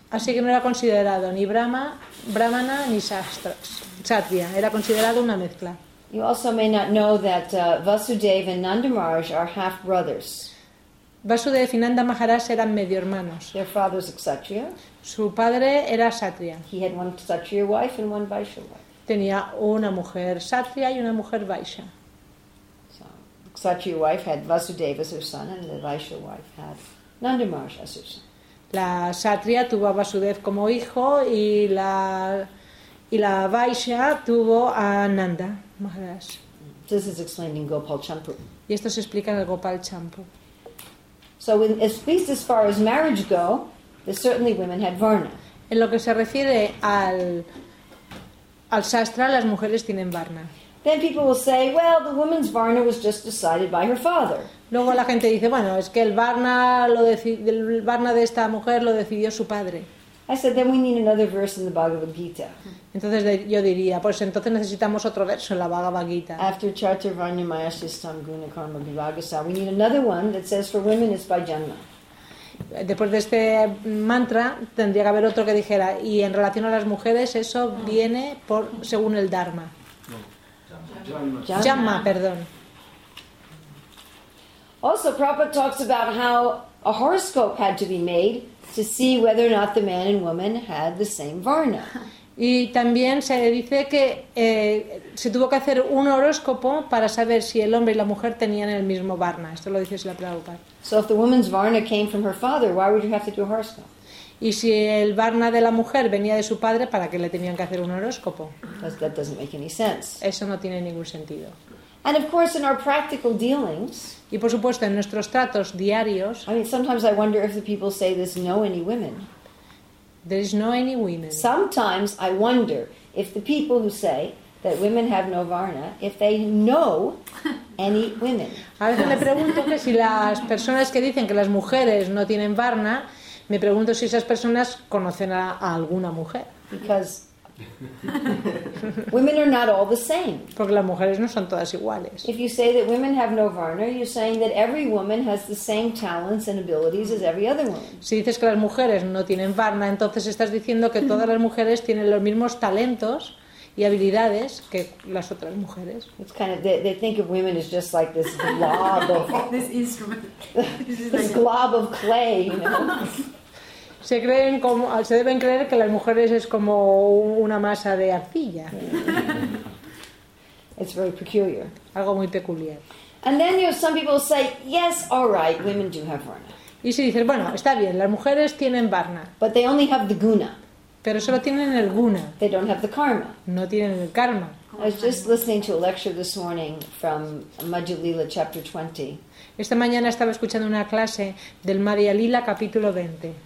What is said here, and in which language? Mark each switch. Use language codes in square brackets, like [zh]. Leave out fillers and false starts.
[es] Así que no era considerado ni Brahmana ni Kshatriya. Era considerado una mezcla. [en] You also may not know that Vasudeva and Nandamaraj are half-brothers. [es] Vasudeva y Nanda Maharaj eran medio hermanos. [en] Their father was a Kshatriya. [es] Su padre era Kshatriya. [en] He had one Kshatriya wife and one Vaishya wife. [es] Tenía una mujer Kshatriya y una mujer Vaishya. [en] Kshatriya wife had Vasudeva as her son, and the Vaishya wife had Nandamaraj as her son. [es] La Kshatriya tuvo a Vasudeva como hijo, y la Vaishya tuvo a Nanda Maharaj. [en] This is explained in Gopal Champu. [es] Y esto se explica en el Gopal Champu. [en] So, at least as far as marriage go, the certainly women had varna. [es] En lo que se refiere al Shastra, las mujeres tienen varna. [en] Then people will say, well, the woman's varna was just decided by her father. [es] Luego la gente dice, bueno, es que el varna de esta mujer lo decidió su padre. [en] I said, then we need another verse in the Bhagavad Gita. [es] Entonces yo diría, pues entonces necesitamos otro verso en la Bhagavad Gita. [en] After [sa] Chaturvarna Mayashtam Guna Karma Vibhagasa, [en] we need another one that says for women it's by Janma. [es] Después de este mantra tendría que haber otro que dijera, y en relación a las mujeres eso viene por según el Dharma. [sa] Janma, [es] perdón. [en] Also, Prabhupada talks about how a horoscope had to be made to see whether or not the man and woman had the same varna. [es] Y también se dice que se tuvo que hacer un horóscopo para saber si el hombre y la mujer tenían el mismo varna. Esto lo dice la Prabhupada. [en] So if the woman's varna came from her father, why would you have to do a horoscope? [es] Y si el varna de la mujer venía de su padre, ¿para qué le tenían que hacer un horóscopo? [en] That doesn't make any sense. [es] Eso no tiene ningún sentido. [en] And of course, in our practical dealings, [es] y por supuesto, en nuestros tratos diarios, [en] I mean, sometimes I wonder if the people say there's no any women. There is no any women. Sometimes I wonder if the people who say that women have no varna, if they know any women. [es] A veces me pregunto que si las personas que dicen que las mujeres no tienen varna, me pregunto si esas personas conocen a alguna mujer. [en] Because women are not all the same. [es] Porque las mujeres no son todas iguales. [en] If you say that women have no varna, you're saying that every woman has the same talents and abilities as every other woman. [es] Si dices que las mujeres no tienen varna, entonces estás diciendo que todas las mujeres tienen los mismos talentos y habilidades que las otras mujeres. [en] It's kind of they think of women as just like this glob of this instrument, this glob of clay. You know? [es] Se creen como, se deben creer que las mujeres es como una masa de arcilla. [en] It's very peculiar. [es] Algo muy peculiar. [en] And then you know, some people say, yes, all right, women do have varna. [es] Y si dices, bueno, está bien, las mujeres tienen varna. [en] But they only have the guna. [es] Pero solo tienen el guna. [en] They don't have the karma. [es] No tienen el karma. [en] I was just listening to a lecture this morning from Madhya Lila chapter 20. [es] Esta mañana estaba escuchando una clase del Madhya Lila capítulo 20.